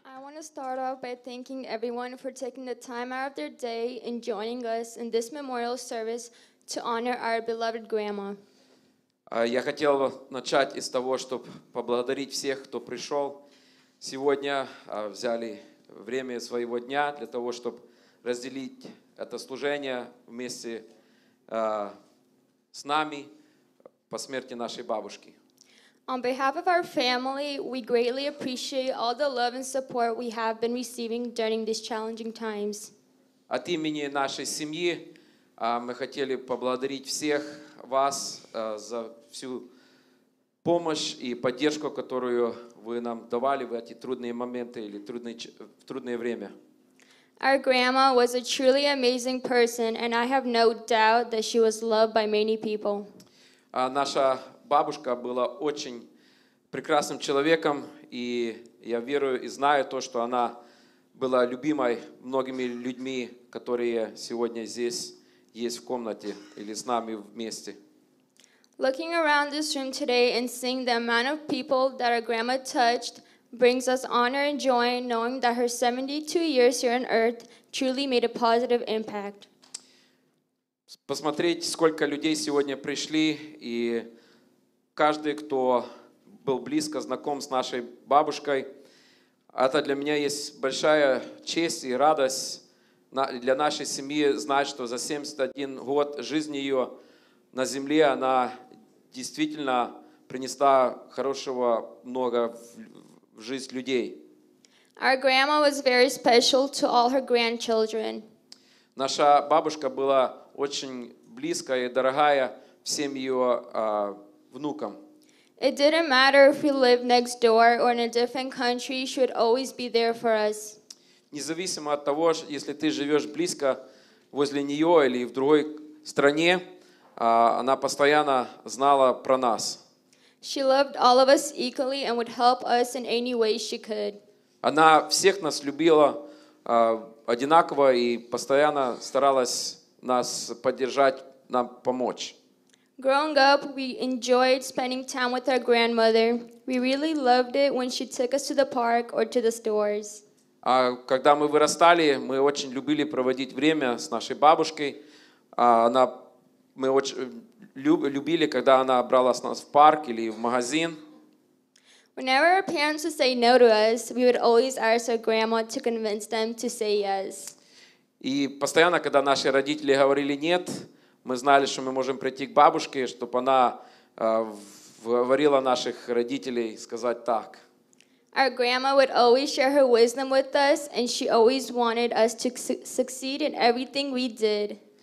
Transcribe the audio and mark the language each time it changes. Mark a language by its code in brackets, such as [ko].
[en] want to start off by thanking everyone for taking the time out of their day and joining us in this memorial service to honor our beloved grandma. [ru] Я хотел начать из того, чтобы поблагодарить всех, кто пришел сегодня, взяли время своего дня для того, чтобы разделить это служение вместе с нами по смерти нашей бабушки. [en] On behalf of our family, we greatly appreciate all the love and support we have been receiving during these challenging times. [ru] От имени нашей семьи мы хотели поблагодарить всех вас за всю помощь и поддержку, которую вы нам давали в эти трудные моменты или в трудное время. [en] Our grandma was a truly amazing person, and I have no doubt that she was loved by many people. [ru] Наша бабушка была очень прекрасным человеком, и я верую и знаю то, что она была любимой многими людьми, которые сегодня здесь есть в комнате или с нами вместе. [en] Looking around this room today and seeing the amount of people that our grandma touched brings us honor and joy, knowing that her 72 years here on earth truly made a positive impact. [ru] Посмотреть, сколько людей сегодня пришли, и каждый, кто был близко, знаком с нашей бабушкой, это для меня есть большая честь и радость для нашей семьи знать, что за 71 год жизни ее на земле она действительно принесла хорошего много в жизнь людей. [en] Our grandma was very special to all her grandchildren. [ru] Наша бабушка была очень близкая и дорогая всем ее внукам. [en] It didn't matter if we lived next door or in a different country, she would always be there for us. [ru] Независимо от того, если ты живешь близко возле нее или в другой стране, она постоянно знала про нас. [en] She loved all of us equally and would help us in any way she could. [ru] Она всех нас любила одинаково и постоянно старалась нас поддержать, нам помочь. [en] Growing up, we enjoyed spending time with our grandmother. We really loved it when she took us to the park or to the stores. [ru] А когда мы вырастали, мы очень любили проводить время с нашей бабушкой. Мы очень любили, когда она брала нас в парк или в магазин. [en] Whenever our parents would say no to us, we would always ask our grandma to convince them to say yes. [ru] И постоянно, когда наши родители говорили нет, мы знали, что мы можем прийти к бабушке, чтобы она говорила наших родителей сказать так. [en] Our grandma would always share her wisdom with us, and she always wanted us to succeed in everything we did.